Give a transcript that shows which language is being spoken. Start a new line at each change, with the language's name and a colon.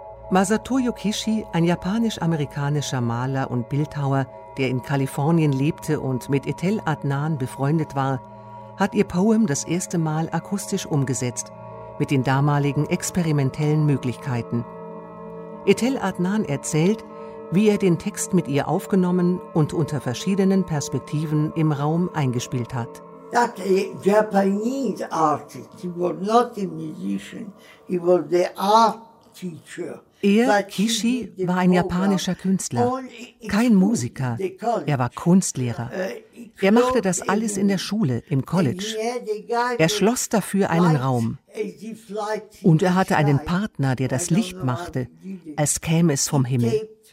German: Masatoyo Kishi, ein japanisch-amerikanischer Maler und Bildhauer, der in Kalifornien lebte und mit Etel Adnan befreundet war, hat ihr Poem das erste Mal akustisch umgesetzt, mit den damaligen experimentellen Möglichkeiten. Etel Adnan erzählt, wie er den Text mit ihr aufgenommen und unter verschiedenen Perspektiven im Raum eingespielt hat.
English: That Japanese artist, he was not a musician, he was the art teacher.
German: Er, Kishi, war ein japanischer Künstler, kein Musiker, er war Kunstlehrer. Er machte das alles in der Schule, im College. Er schloss dafür einen Raum. Und er hatte einen Partner, der das Licht machte, als käme es vom Himmel.